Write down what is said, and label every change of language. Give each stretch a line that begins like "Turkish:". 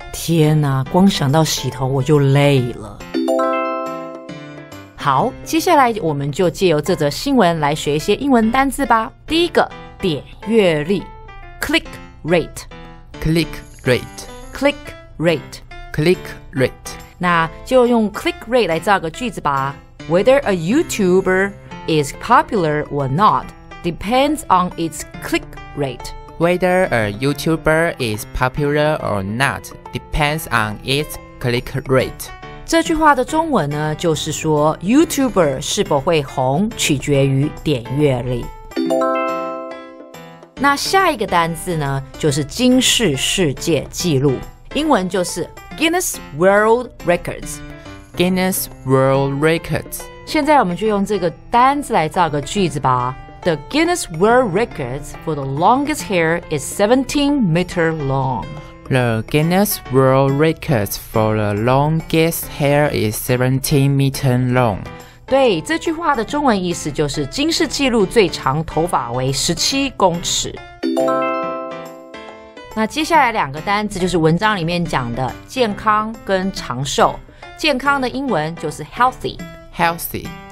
Chinese: 天哪，光想到洗头我就累了。好，接下来我们就借由这则新闻来学一些英文单字吧。第一个，点阅率 ，click rate，
English: click rate， click rate， click rate。
Chinese: 那就用 click rate 来造个句子吧。
English: Whether a YouTuber is popular or not depends on its click rate. Whether a YouTuber is popular or not depends on its click rate.
Chinese: 这句话的中文呢，就是说 YouTuber 是否会红取决于点阅率。那下一个单字呢，就是金氏世界纪录，英文就是 Guinness World Records。
English: Guinness World Records。
Chinese: 现在我们就用这个单字来造个句子吧。
English: The Guinness World Records for the longest hair is 17 meter long The Guinness World Records for the longest hair is 17 meters long.
Chinese: 对，这句话的中文意思就是金氏纪录最长头发为17公尺。那接下来两个单字就是文章里面讲的健康跟长寿。健康的英文就是 healthy.
English: Healthy.